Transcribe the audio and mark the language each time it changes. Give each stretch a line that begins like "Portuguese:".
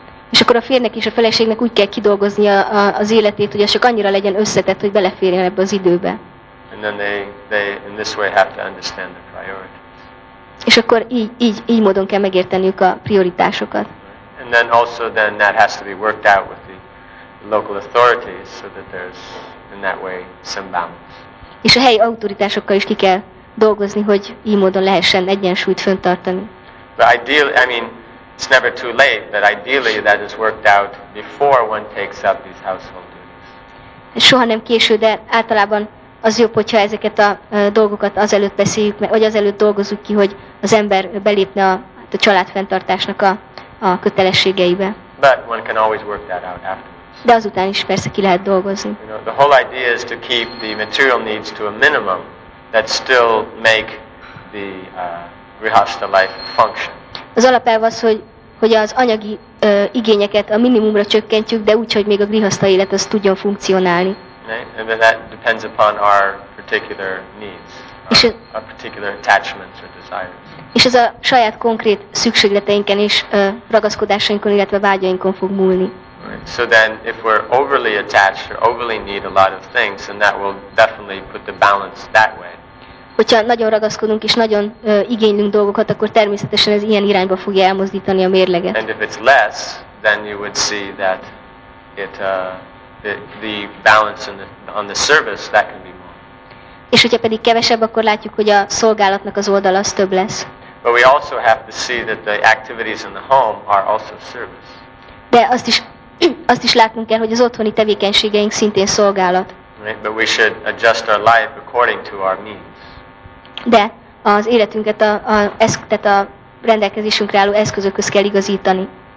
Hungarian: És akkor a férnek és a feleségnek úgy kell kidolgozni az életét, hogy az csak annyira legyen összetett, hogy beleférjen ebbe az időbe.
English: And then they in this way have to understand the priorities.
Hungarian: És akkor így módon kell megérteniük a prioritásokat.
English: And then also then that has to be worked out with the local authorities so that there's in that way some balance.
Hungarian: És a helyi autoritásokkal is ki kell dolgozni, hogy így módon lehessen egyensúlyt fönntartani.
English: But ideally, I mean, it's never too late, but ideally that is worked out before one takes up these household duties.
Hungarian: Soha nem késő, de általában az jobb, hogyha ezeket a dolgokat azelőtt beszéljük, vagy azelőtt dolgozzuk ki, hogy az ember belépne a család fenntartásnak a kötelességeibe.
English: But one can always work that out afterwards.
Hungarian: De azután is persze ki lehet dolgozni.
English: You know, the whole idea is to keep the material needs to a minimum that still make the grihastha life function.
Hungarian: Az alapelv az, hogy az anyagi igényeket a minimumra csökkentjük, de úgy, hogy még a grihastha élet az tudjon funkcionálni.
English: And then that depends upon our particular needs, our particular attachments or desires.
Hungarian: És ez a saját konkrét szükségleteinken és ragaszkodásainkon, illetve vágyainkon fog múlni.
English: Right. So then, if we're overly attached or overly need a lot of things, then that will definitely put the balance that way.
Hungarian: Hogyha nagyon ragaszkodunk és nagyon igénylünk dolgokat, akkor természetesen ez ilyen irányba fogja elmozdítani a mérleget.
English: And if it's less, then you would see that it the balance in on the service that can be more.
Hungarian: És hogyha pedig kevesebb, akkor látjuk, hogy a szolgálatnak az oldala az több lesz.
English: But we also have to see that the activities in the home are also service.
Hungarian: De azt is látnunk kell, hogy az otthoni tevékenységeink szintén szolgálat.
English: Right, but we should adjust our life according to our needs.
Hungarian: De az életünket a rendelkezésünkre álló eszközökhöz kell igazítani.